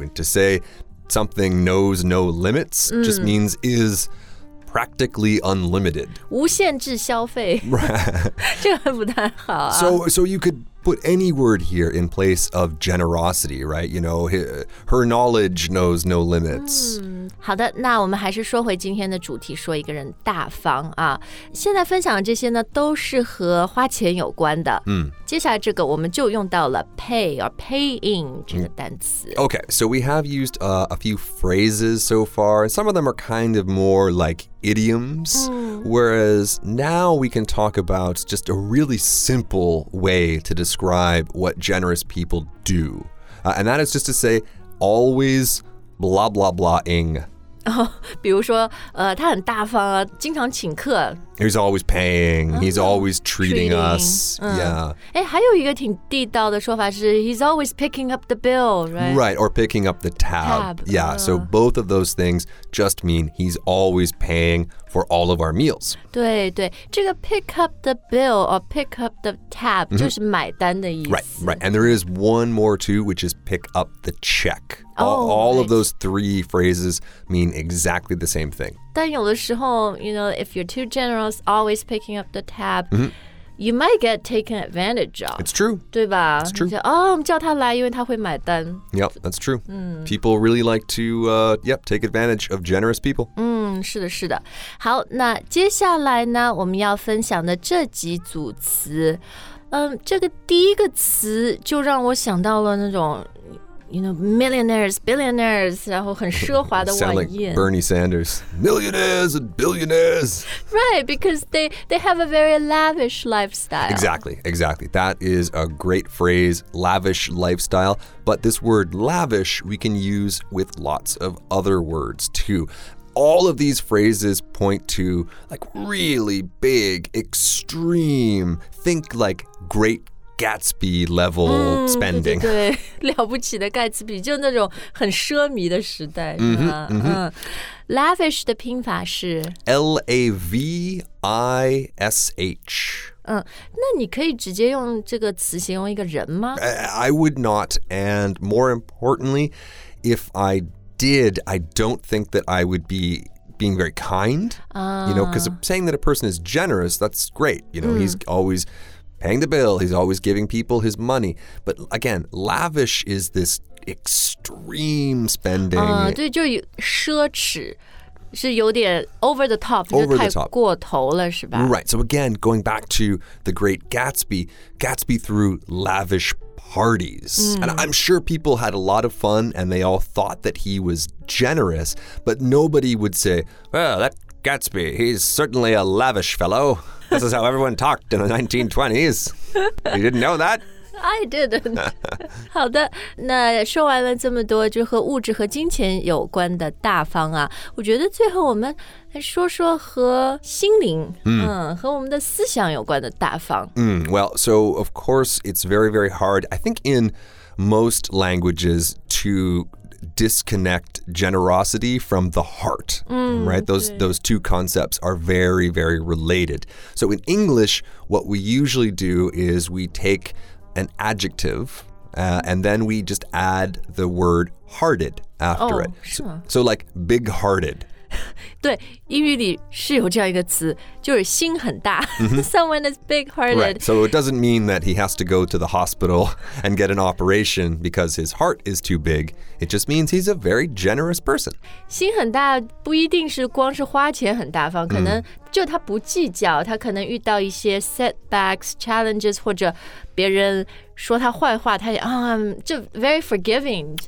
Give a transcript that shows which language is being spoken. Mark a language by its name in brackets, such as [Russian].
[English] And to say something knows no limits just means is... practically unlimited. [Chinese] 无限制消费 [English] Right. [Chinese] 这个不太好啊。 [English] So you could put any word here in place of generosity, right? You know, her knowledge knows no limits. [Chinese] 好的，那我们还是说回今天的主题，说一个人大方啊。现在分享的这些呢，都是和花钱有关的。接下来这个我们就用到了 [English] pay or paying [Chinese] 这个单词。 [English] Okay, so we have used a few phrases so far. Some of them are kind of more like idioms. Whereas now we can talk about just a really simple way to describe what generous people do. And that is just to say always blah blah blah-ing. [Chinese] Oh, 比如说他很大方啊，经常请客。 [English] He's always paying. He's always treating us. Yeah. [Chinese] 哎，还有一个挺地道的说法是 [English] he's always picking up the bill, right? Right, or picking up the tab. Yeah, so both of those things just mean he's always paying for all of our meals. [Chinese] 对对，这个 [English] pick up the bill or pick up the tab [Chinese] 就是买单的意思。 [English] Right. And there is one more too, which is pick up the check. All of those three phrases mean exactly the same thing. [Chinese] 但有的时候 [English] you know, if you're too generous, always picking up the tab, you might get taken advantage of. It's true. [Chinese] 对吧 [English] It's true. [Chinese] 你说，哦，我们叫他来，因为他会买单。 [English] Yep, that's true. People really like to, take advantage of generous people. [Chinese] 是的，是的。好，那接下来呢，我们要分享的这几组词，这个第一个词就让我想到了那种 [English] You know, millionaires, billionaires, [Chinese] 然后很奢华的晚宴。 [English] Sound like Bernie Sanders. Millionaires and billionaires. Right, because they have a very lavish lifestyle. Exactly. That is a great phrase, lavish lifestyle. But this word lavish, we can use with lots of other words too. All of these phrases point to like really big, extreme, think like greatGatsby level spending. [Chinese] 对对对，了不起的盖茨比，就那种很奢靡的时代，是吧？ Lavish 的拼法是 [English] L-A-V-I-S-H. [Chinese] 那你可以直接用这个词形容一个人吗？ [English] I would not, and more importantly, if I did, I don't think that I would be... being very kind, you know, because saying that a person is generous, that's great. You know, he's always paying the bill. He's always giving people his money. But again, lavish is this extreme spending. [Chinese] 对，就奢侈是有点 [English] over the top, [Chinese] 就太过头了，是吧？ [English] Right. So again, going back to the great Gatsby, Gatsby threw lavish parties. And I'm sure people had a lot of fun and they all thought that he was generous, but nobody would say, well, that Gatsby, he's certainly a lavish fellow. This is how everyone talked in the 1920s. You didn't know that? I didn't. [Chinese] 好的，那说完了这么多就和物质和金钱有关的大方啊，我觉得最后我们来说说和心灵，和我们的思想有关的大方。 [English] Well, so of course it's very, very hard. I think in most languages to disconnect generosity from the heart, right? Those two concepts are very, very related. So in English, what we usually do is we take an adjective, and then we just add the word hearted after it. So like big-hearted. [Chinese] 对，英语里是有这样一个词，就是心很大。 [English] Someone is big-hearted. Right, so it doesn't mean that he has to go to the hospital and get an operation because his heart is too big. It just means he's a very generous person. [Chinese] 心很大不一定是光是花钱很大方，可能就他不计较，他可能遇到一些 [English] setbacks, challenges, [Chinese] 或者别人说他坏话，他也就 [English] very forgiving.